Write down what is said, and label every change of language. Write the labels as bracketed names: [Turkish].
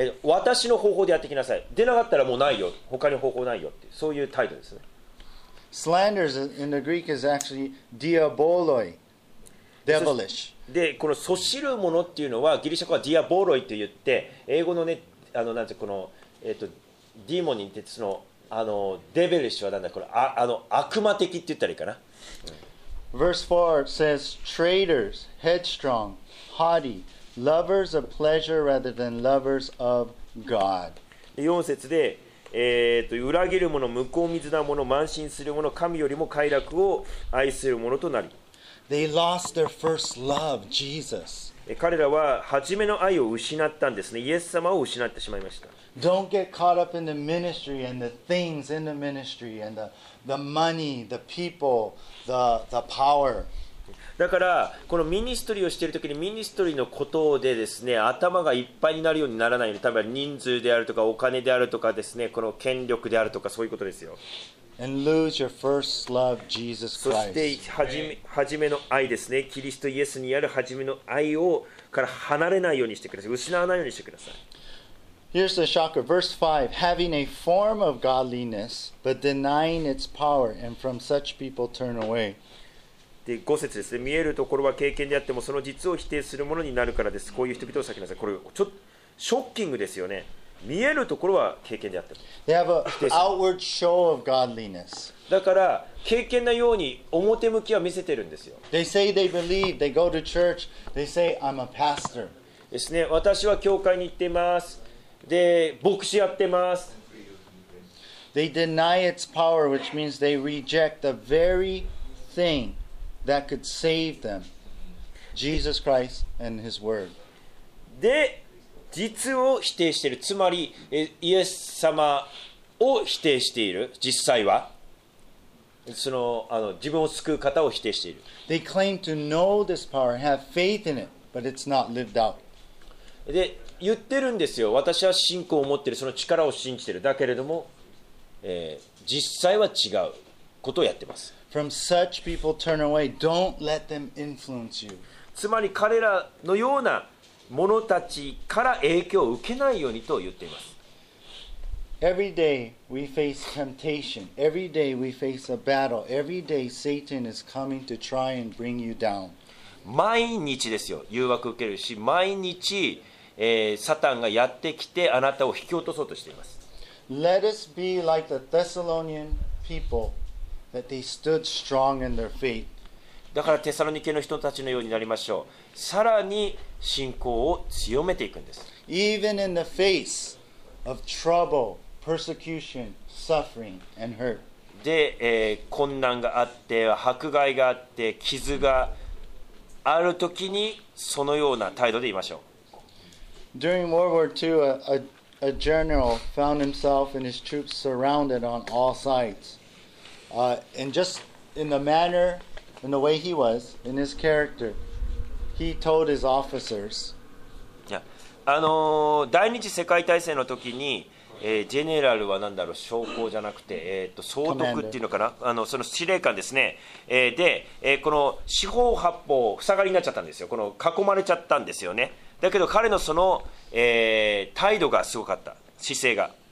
[Japanese] 私の方法でやってきなさい。出なかったらもうないよ。他に方法ないよって。そういう態度ですね。 [English] Slander in the Greek is actually diaboloi, devilish. [Japanese] で、このそしるものっていうのは、ギリシャ語は diaboloi と言って、英語のね、なんていうか、この、ディーモンに似て、その、デベリッシュはなんだこれ悪魔的って言ったらいいかな。 [English] Verse 4 says, traitors, headstrong, haughty, lovers of pleasure rather than lovers of God. [Japanese] 4節で、裏切る者、無効水な者、慢心する者、神よりも快楽を愛する者となり。 [English] They lost their first love, Jesus. [Japanese] 彼らは初めの愛を失ったんですね。イエス様を失ってしまいました。 [English] Don't get caught up in the ministry and the things in the ministry and the money, the people, the power. [Japanese] だからこのミニストリーをしているときにミニストリーのことでですね、頭がいっぱいになるようにならないように、例えば人数であるとかお金であるとかですね、この権力であるとかそういうことですよ。 [English] And lose your first love, Jesus Christ. [Japanese] そして初めの愛ですね、キリストイエスにある初めの愛をから離れないようにしてください。失わないようにしてください。 [English] Here's the shocker. Verse 5. Having a form of godliness, but denying its power, and from such people turn away. [Japanese] で、5節ですね。見えるところは経験であっても、その実を否定するものになるからです。こういう人々を避けなさい。これ、ちょっとショッキングですよね。見えるところは経験であっても。 [English] They have an outward show of godliness. [Japanese] だから、経験なように表向きは見せてるんですよ。 [English] They say they believe. They go to church. They say, I'm a pastor. [Japanese] ですね。私は教会に行っています。で、牧師やってます。 [English] They deny its power, which means they reject the very thing that could save them, Jesus Christ and His Word. [Japanese] で、実を否定している。つまり、イエス様を否定している。実際は、自分を救う方を否定している。 [English] They claim to know this power, have faith in it, but it's not lived out. [Japanese] で、言ってるんですよ。私は信仰を持ってる、その力を信じてる。だけれども、実際は違うことをやってます。 [English] From such people turn away. Don't let them influence you. [Japanese] つまり彼らのような者たちから影響を受けないようにと言っています。 [English] Every day we face temptation. Every day we face a battle. Every day Satan is coming to try and bring you down. [Japanese] 毎日ですよ。誘惑を受けるし、毎日サタンがやってきてあなたを引き落とそうとしています。 [English] Let us be like the Thessalonian people, that they stood strong in their faith. [Japanese] だからテサロニケの人たちのようになりましょう。さらに信仰を強めていくんです。 [English] Even in the face of trouble, persecution, suffering, and hurt. [Japanese] で、困難があって、迫害があって、傷があるときにそのような態度でいましょう。 [English] During World War II, a general found himself and his troops surrounded on all sides. And just in the manner, in the way he was, in his character, he told his officers. Yeah. [Japanese] 第二次世界大戦の時に、ジェネラルは何だろう、将校じゃなくて、総督っていうのかな、その司令官ですね。で、この四方八方、塞がりになっちゃったんですよ。この囲まれちゃったんですよね。だけど彼のその、態度がすごかった、姿勢が。